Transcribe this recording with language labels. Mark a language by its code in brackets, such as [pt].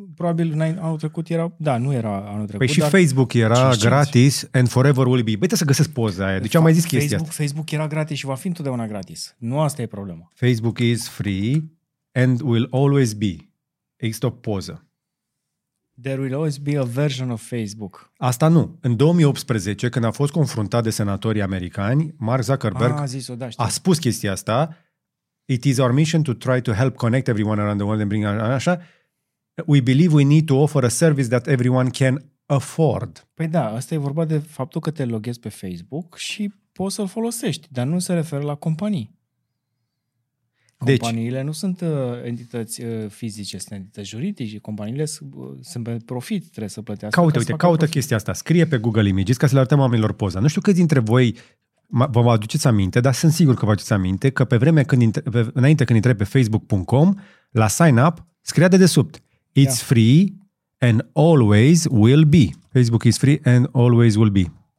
[ro] Probabil anul trecut era, da, nu era anul trecut. Păi și Facebook era gratis [en] and forever will be. [ro] Băi, trebuie să găsesc poza aia. Deci am mai zis chestia asta. Facebook era gratis și va fi întotdeauna gratis. Nu asta e problema. [en] Facebook is free and will always be. [ro] Există o poză. [en] There will always be a version of Facebook. [ro] Asta nu. În 2018, când a fost confruntat de senatorii americani, Mark Zuckerberg a spus chestia asta. [en] It is our mission to try to help connect everyone around the world and bring [ro] așa. [en] We believe we need to offer a service that everyone can afford. [ro] Păi da, asta e vorba de faptul că te loghezi pe Facebook și poți să-l folosești, dar nu se referă la companii. Companiile deci, nu sunt entități fizice, sunt entități juridice. Companiile sunt pe profit, trebuie să plătească. Caută, uite, caută profit. Chestia asta. Scrie pe Google Images ca să le arătăm oamenilor poza. Nu știu câți dintre voi vă aduceți aminte, dar sunt sigur că vă aduceți aminte că pe vreme când înainte când intrai pe facebook.com, la sign up, scria dedesubt. [en] It's free and always will be. Facebook is free and always will be.